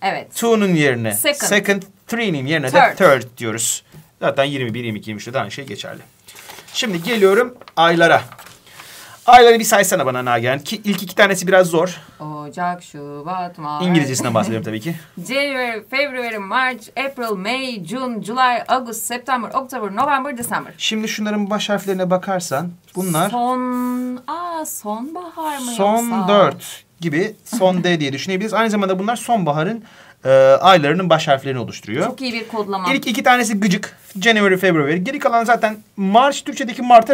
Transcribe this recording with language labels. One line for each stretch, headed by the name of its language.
Turkish: Evet. Two'nun yerine
English: second.
Turkish: Second, three'nin yerine third. De third diyoruz. Zaten 21, 22, 23'te de aynı şey geçerli. Şimdi geliyorum aylara. Ayları bir saysana bana Nagihan. Ki ilk iki tanesi biraz zor. Ocak, Şubat, Mart. İngilizcesinden bahsediyorum tabii ki.
English: January, February, March, April, May, June, July, August, September, October, November, December.
Turkish: Şimdi şunların baş harflerine bakarsan bunlar... Sonbahar mı son yoksa? Son 4 gibi son D diye düşünebiliriz. Aynı zamanda bunlar sonbaharın... aylarının baş harflerini oluşturuyor. Çok iyi bir kodlama. İlk iki tanesi gıcık.
English: January, February.
Turkish: Geri kalan zaten March, Türkçedeki Mart'a